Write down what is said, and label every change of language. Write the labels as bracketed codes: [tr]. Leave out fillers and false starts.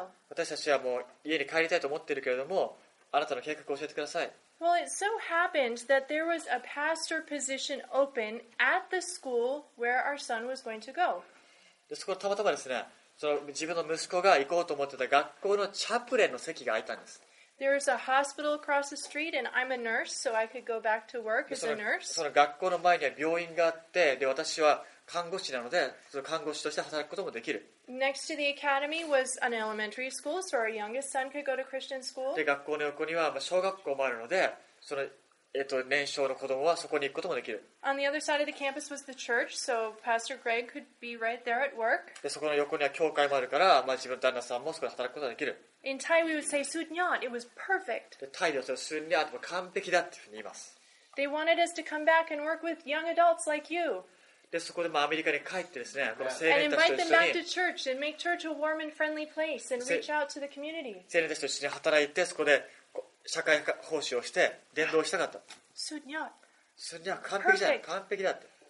[ja] 私たちはもう家に帰りたいと思っているけれども、あなたの計画を教えてください。 [en] Well, it so happened that there was a pastor position open at the school where our son was going to go. [ja] で、そこでたまたまですね、その自分の息子が行こうと思ってた学校のチャプレンの席が空いたんです。 [en] There is a hospital across the street, and I'm a nurse, so I could go back to work as a nurse. [ja] その学校の前には病院があって、で、私は看護師なので、その看護師として働くこともできる。 [en] Next to the academy was an elementary school, so our youngest son could go to Christian school. [ja] で、学校の横には小学校もあるので、その年少の子供はそこに行くこともできる。 [en] On the other side of the campus was the church, so Pastor Greg could be right there at work. [ja] で、そこの横には教会もあるから、まあ、自分の旦那さんもそこで働くことができる。 [en] In Thai, we would say "sunyat." It was perfect. [ja] で、タイではsunyat は完璧だっていうふうに言います。 [en] They wanted us to come back and work with young adults like you. [ja] で、そこでまあアメリカに帰ってですね、この青年たちと一緒に。 [en] And invite them back to church and make church a warm and friendly place and reach out to the community. [ja] 青年たちと一緒に働いて、そこで社会奉仕をして伝道したかった。 [th] sunyat. [ja] sunyat 完璧じゃない、完璧だって。